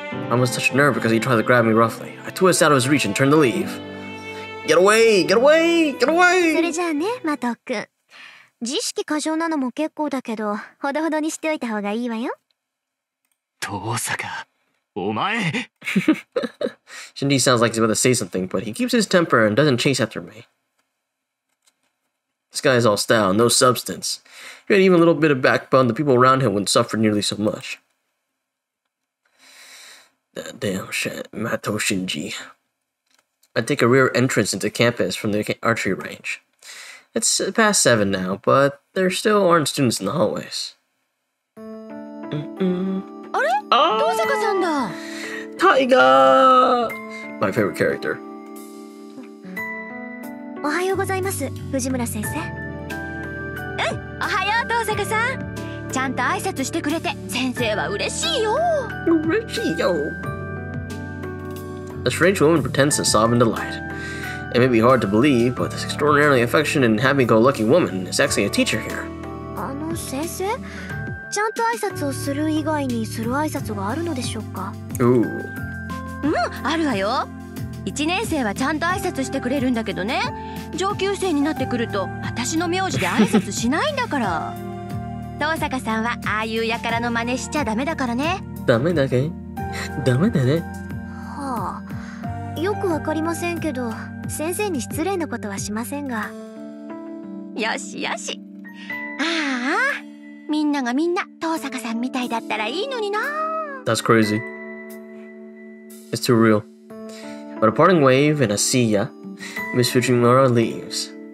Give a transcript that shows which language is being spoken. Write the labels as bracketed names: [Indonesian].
[English] I'm almost touched a nerve because he tried to grab me roughly. I twist out of his reach and turn to leave. Get away! Get away! Get away! [Japanese] それじゃあね、マト君。自意識過剰なのも結構だけど、ほどほどにしておいた方がいいわよ。 [English] Shinji sounds like he's about to say something, but he keeps his temper and doesn't chase after me. This guy is all style, no substance. If he had even a little bit of backbone, the people around him wouldn't suffer nearly so much. That damn shit, Mato Shinji. I take a rear entrance into campus from the archery range. It's past 7 now, but there still aren't students in the hallways. [Japanese] Mm-mm. 遠坂さんだ。 [English] タイガー、my favorite character。 [Japanese] おはようございます、藤村先生。うん、おはよう遠坂さん。ちゃんと挨拶してくれて先生は嬉しいよ。嬉しいよ。 [English] The strange woman pretends to sob in delight. It may be hard to believe, but this extraordinarily affectionate and happy-go-lucky woman is actually a teacher here. [Japanese] あの先生。ちゃんと挨拶をする以外にする挨拶があるのでしょうか。 Ooh. うん、あるわよ。 1年生はちゃんと挨拶してくれるんだけどね。上級生になってくると私の名字で挨拶しないんだから。遠坂さんはああいうやからの真似しちゃダメだからね。ダメだけ?ダメだね。はあ、よくわかりませんけど、先生に失礼なことはしませんが。よしよし。ああ。みんながみんな遠坂さんみたいだったらいいのにな。 [English] That's crazy. It's too real. But a parting wave and a see ya, Miss Fujimura leaves.